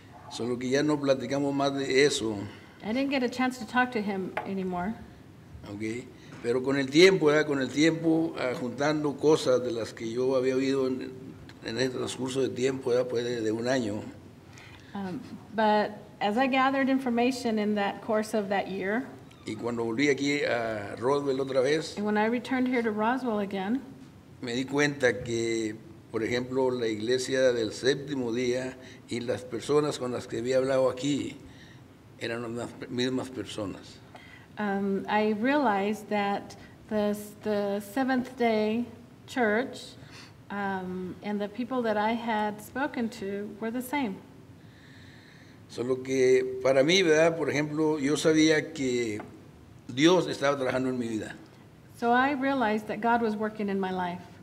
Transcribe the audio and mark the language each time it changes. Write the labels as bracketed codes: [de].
[es] Solo que ya no platicamos más de eso. [en] I didn't get a chance to talk to him anymore. [es] Okay. Pero con el tiempo, ¿verdad? Con el tiempo, juntando cosas de las que yo había oído en el transcurso de tiempo, ¿verdad? Pues de un año. [en] But as I gathered information in that course of that year, [es] y cuando volví aquí a Roswell otra vez, [en] and when I returned here to Roswell again, [es] me di cuenta que, por ejemplo, la iglesia del séptimo día y las personas con las que había hablado aquí eran las mismas personas. [en] I realized that the Seventh Day Church and the people that I had spoken to were the same. [es] Solo que para mí, ¿verdad? Por ejemplo, yo sabía que Dios estaba trabajando en mi vida. [en] So I realized that God was working in my life.